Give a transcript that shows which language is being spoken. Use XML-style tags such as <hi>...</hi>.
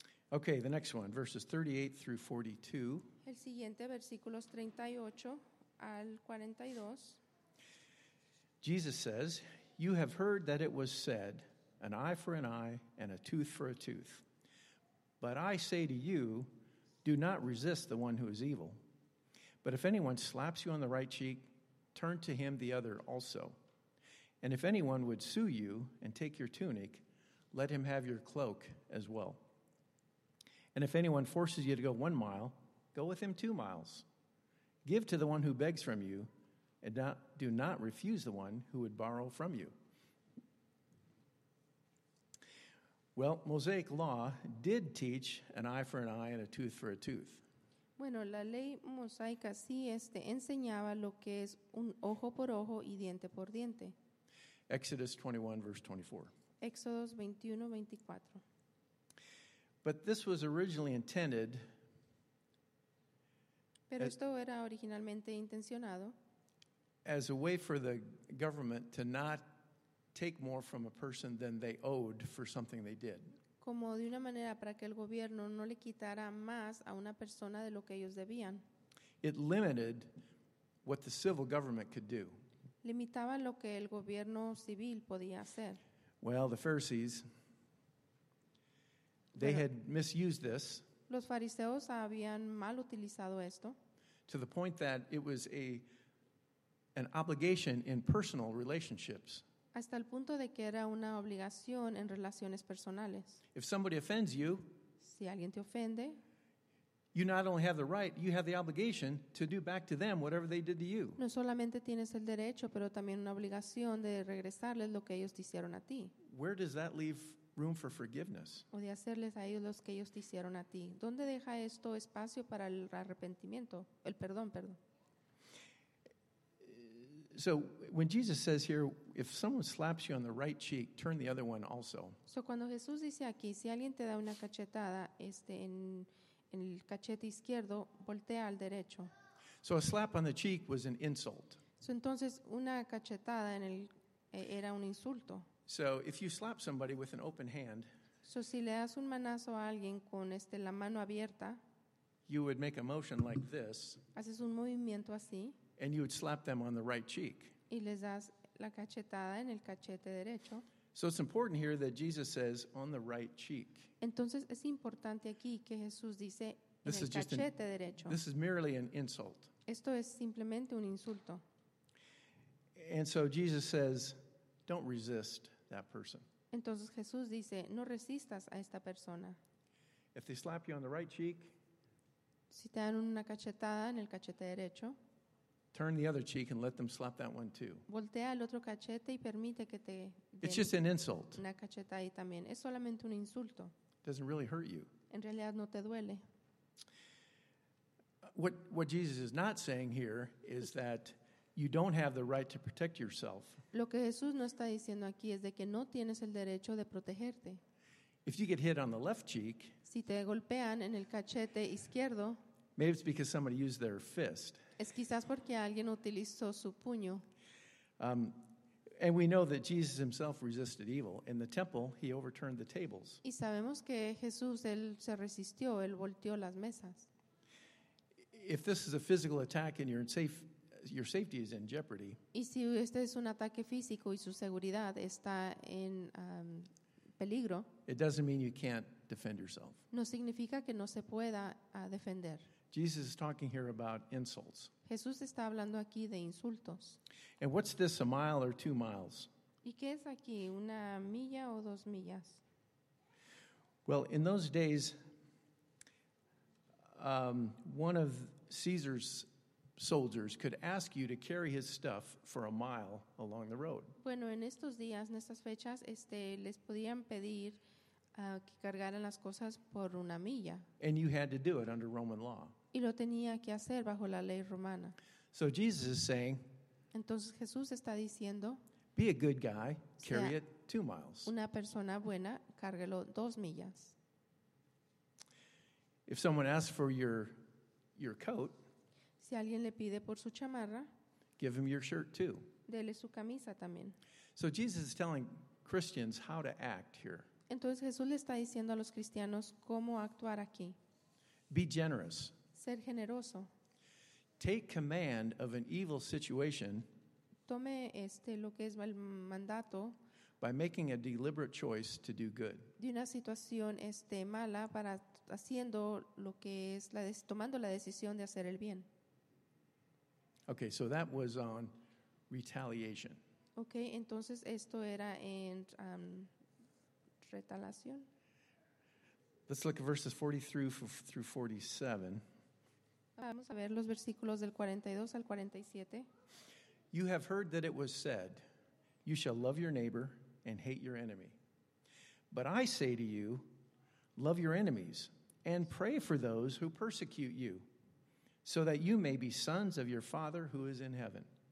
<en>Okay, the next one, verses 38 through 42.</en> <es>El siguiente, versículos 38 al 42.</es> <en>Jesus says, you have heard that it was said, an eye for an eye and a tooth for a tooth. But I say to you, do not resist the one who is evil. But if anyone slaps you on the right cheek, turn to him the other also. And if anyone would sue you and take your tunic, let him have your cloak as well. And if anyone forces you to go 1 mile, go with him 2 miles. Give to the one who begs from you, and do not refuse the one who would borrow from you. Well, Mosaic law did teach an eye for an eye and a tooth for a tooth.</en> <es>Bueno, la ley mosaica sí enseñaba lo que es un ojo por ojo y diente por diente.</es> <en>Exodus 21, verse 24. Exodus 21, 24. But this was originally intended.</en> <es>Pero esto era originalmente intencionado.</es> <en>As a way for the government to not take more from a person than they owed for something they did.</en> <es>Como de una manera para que el gobierno no le quitara más a una persona de lo que ellos debían.</es> <en>It limited what the civil government could do.</en> <es>Limitaba lo que el gobierno civil podía hacer.</es> <en>Well, the Pharisees, they had misused this.</en> <es>Los fariseos habían mal utilizado esto.</es> <en>To the point that it was an obligation in personal relationships.</en> <es>Hasta el punto de que era una obligación en relaciones personales.</es> <en>If somebody offends you,</en> <es>si alguien te ofende,</es> <en>you not only have the right, you have the obligation to do back to them whatever they did to you.</en> <es>No solamente tienes el derecho, pero también una obligación de regresarles lo que ellos te hicieron a ti.</es> <en>Where does that leave room for forgiveness?</en> <es>O de hacerles a ellos lo que ellos te hicieron a ti. ¿Dónde deja esto espacio para el arrepentimiento? El perdón, perdón.</es> <en>So when Jesus says here, if someone slaps you on the right cheek, turn the other one also.</en> <es>So cuando Jesús dice aquí, si alguien te da una cachetada en el cachete izquierdo, voltea al derecho.</es> <en>So a slap on the cheek was an insult.</en> <es>So entonces una cachetada en el era un insulto.</es> <en>So if you slap somebody with an open hand,</en> <es>so si le das un manazo a alguien con la mano abierta,</es> <en>you would make a motion like this.</en> <es>Haces un movimiento así.</es> <en>And you would slap them on the right cheek.</en> <es>Y les das la cachetada en el cachete derecho.</es> <en>So it's important here that Jesus says on the right cheek.</en> <es>Entonces es importante aquí que Jesús dice en el cachete derecho.</es> <en>This is merely an insult.</en> <es>Esto es simplemente un insulto.</es> <en>And so Jesus says, don't resist that person.</en> <es>Entonces Jesús dice, no resistas a esta persona.</es> <en>If they slap you on the right cheek,</en> <es>si te dan una cachetada en el cachete derecho,</es> <en>turn the other cheek and let them slap that one too.</en> <es>Voltea el otro cachete y permite que te den.</es> <en>It's just an insult.</en> <es>Una cachetada ahí también. Es solamente un insulto.</es> <en>Doesn't really hurt you.</en> <es>En realidad no te duele.</es> <en>What Jesus is not saying here is that you don't have the right to protect yourself.</en> <es>Lo que Jesús no está diciendo aquí es de que no tienes el derecho de protegerte.</es> <en>If you get hit on the left cheek,</en> <es>si te golpean en el cachete izquierdo,</es> <en>maybe it's because somebody used their fist.</en> <es>Es quizás porque alguien utilizó su puño.</es> <en>And we know that Jesus himself resisted evil. In the temple, he overturned the tables.</en> <es>Y sabemos que Jesús, él se resistió, él volteó las mesas.</es> <en>If this is a physical attack and you're in safe, your safety is in jeopardy.</en> <es>Y si este es un ataque físico y su seguridad está en peligro.</es> <en>It doesn't mean you can't defend yourself.</en> <es>No significa que no se pueda defender.</es> <en>Jesus is talking here about insults.</en> <es>Jesús está hablando aquí de insultos.</es> <en>And what's this, a mile or 2 miles?</en> <es>¿Y qué es aquí, una milla o dos millas?</es> <en>Well, in those days, one of Caesar's soldiers could ask you to carry his stuff for a mile along the road.</en> <es>Bueno, en estos días, en estas fechas, les podían pedir que cargaran las cosas por una milla.</es> <en>And you had to do it under Roman law.</en> <es>y lo tenía que hacer bajo la ley romana.</es> <en>So Jesus is saying,</en> <es>entonces Jesús está diciendo,</es> <en>be a good guy, carry it 2 miles.</en> <es>Una persona buena, cárguelo 2 millas.</es> <en>If someone asks for your coat,</en> <es>si alguien le pide por su chamarra,</es> <en>give him your shirt too.</en> <es>Dele su camisa también.</es> <en>So Jesus is telling Christians how to act here.</en> <es>Entonces Jesús le está diciendo a los cristianos cómo actuar aquí.</es> <en>Be generous.</en> <es>Ser generoso.</es> <en>Take command of an evil situation.</en> <es>Tome lo que es el mandato.</es> <en>By making a deliberate choice to do good.</en> <es>De una situación mala para haciendo lo que es tomando la decisión de hacer el bien.</es> <en>Okay, so that was on retaliation.</en> <es>Okay, entonces esto era en retaliación.</es> <en>Let's look at verses 43 through 47.</en> <es>Vamos a ver los versículos del 42 al 47.</es> <en>You have heard that it was said, you shall love your neighbor and hate your enemy. But I say to you, love your enemies and pray for those who persecute you, so that you may be sons of your Father who is in heaven.</en>